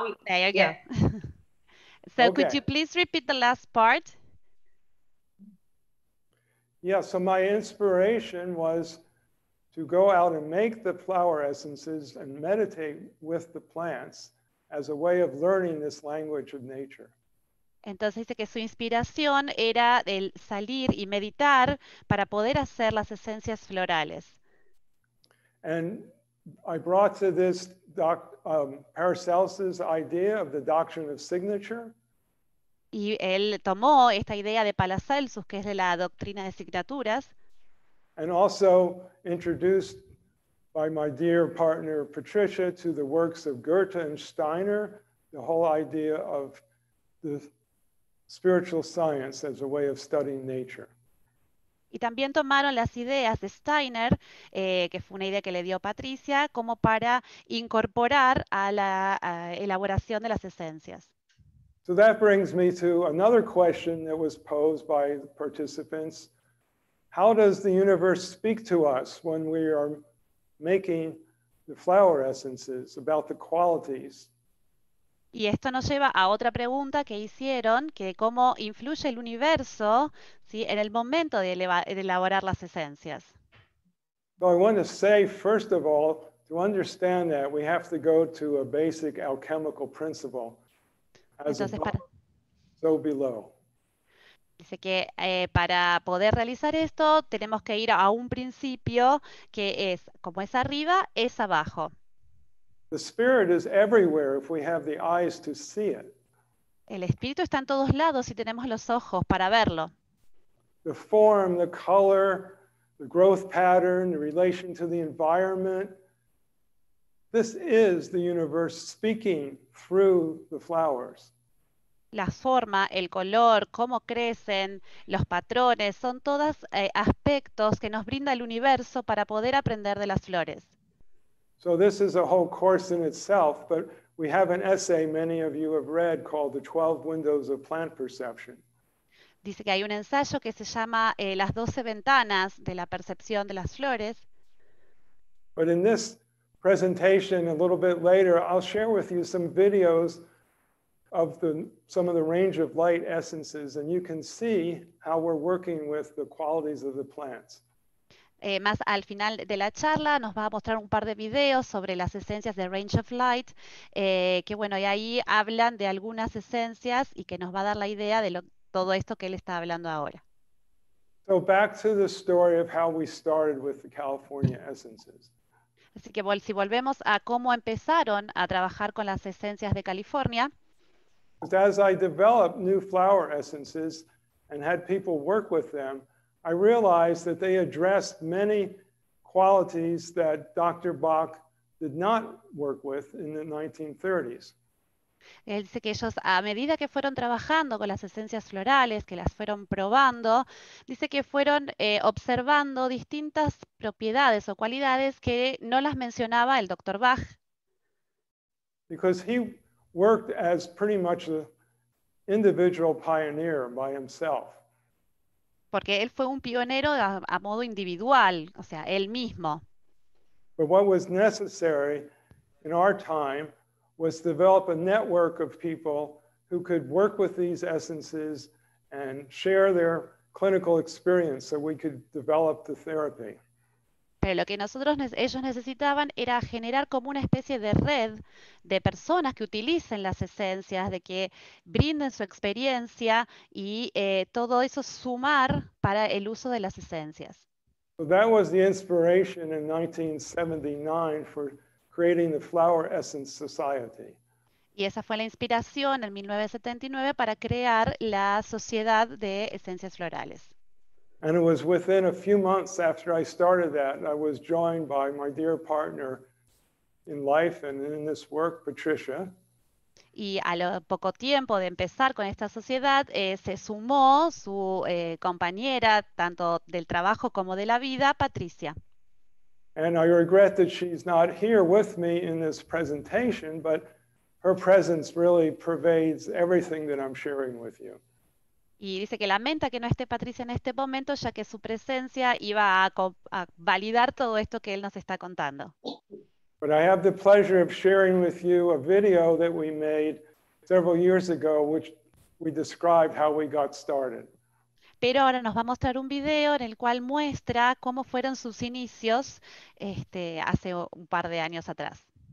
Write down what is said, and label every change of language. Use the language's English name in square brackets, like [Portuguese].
[English] There you go. So okay. Could you please repeat the last part? Yeah, so my inspiration was to go out and make the flower essences and meditate with the plants as a way of learning this language of nature. [Spanish] Entonces dice que su inspiración era el salir y meditar para poder hacer las esencias florales. [English] And I brought to this Paracelsus' idea of the doctrine of signature. [Spanish] Y él tomó esta idea de Paracelsus, que es de la doctrina de signaturas. [English] And also introduced by my dear partner Patricia to the works of Goethe and Steiner, the whole idea of the spiritual science as a way of studying nature. [Spanish] Y también tomaron las ideas de Steiner, que fue una idea que le dio Patricia, como para incorporar a la elaboración de las esencias. [English] So that brings me to another question that was posed by the participants. How does the universe speak to us when we are making the flower essences about the qualities? [Spanish] Y esto nos lleva a otra pregunta que hicieron, que cómo influye el universo, ¿sí?, en el momento de elaborar las esencias. [English] So I want to say, first of all, to understand that, we have to go to a basic alchemical principle. [Spanish] Dice que para poder realizar esto tenemos que ir a un principio que es como es arriba, es abajo. [English] The spirit is everywhere if we have the eyes to see it. [Spanish] El espíritu está en todos lados si tenemos los ojos para verlo. [English] The form, the color, the growth pattern, the relation to the environment. This is the universe speaking through the flowers. [Spanish] La forma, el color, cómo crecen, los patrones, son todos aspectos que nos brinda el universo para poder aprender de las flores. [English] So this is a whole course in itself, but we have an essay many of you have read called The 12 Windows of Plant Perception. [Spanish] Dice que hay un ensayo que se llama Las 12 Ventanas de la Percepción de las Flores. [English] But in this presentation a little bit later, I'll share with you some videos of some of the range of light essences, and you can see how we're working with the qualities of the plants. [Spanish] Más al final de la charla nos va a mostrar un par de videos sobre las esencias de range of light, que bueno, y ahí hablan de algunas esencias y que nos va a dar la idea de todo esto que él está hablando ahora. [English] So back to the story of how we started with the California essences. [Spanish] Así que si volvemos a cómo empezaron a trabajar con las esencias de California. [English] As I developed new flower essences and had people work with them, I realized that they addressed many qualities that Dr. Bach did not work with in the 1930s. [Spanish] Él dice que ellos, a medida que fueron trabajando con las esencias florales, que las fueron probando, dice que fueron observando distintas propiedades o cualidades que no las mencionaba el Dr. Bach. [English] Because he worked as pretty much an individual pioneer by himself. [Spanish] Porque él fue un pionero a modo individual, o sea, él mismo. [English] But what was necessary in our time was to develop a network of people who could work with these essences and share their clinical experience so we could develop the therapy. [Spanish] Pero lo que ellos necesitaban era generar como una especie de red de personas que utilicen las esencias, de que brinden su experiencia y todo eso sumar para el uso de las esencias. [English] So that was the inspiration in 1979 for creating the Flower Essence Society. [Spanish] Y esa fue la inspiración en 1979 para crear la Sociedad de Esencias Florales. [English] And it was within a few months after I started that, I was joined by my dear partner in life and in this work, Patricia. [Spanish] Y a lo poco tiempo de empezar con esta sociedad, se sumó su compañera, tanto del trabajo como de la vida, Patricia. [English] And I regret that she's not here with me in this presentation, but Her presence really pervades everything that I'm sharing with you. [Spanish] Y dice que lamenta que no esté Patricia en este momento, ya que su presencia iba a validar todo esto que él nos está contando. [English] But I have the pleasure of sharing with you a video that we made several years ago, which we described how we got started. [Spanish] Pero ahora nos va a mostrar un video en el cual muestra cómo fueron sus inicios hace un par de años atrás.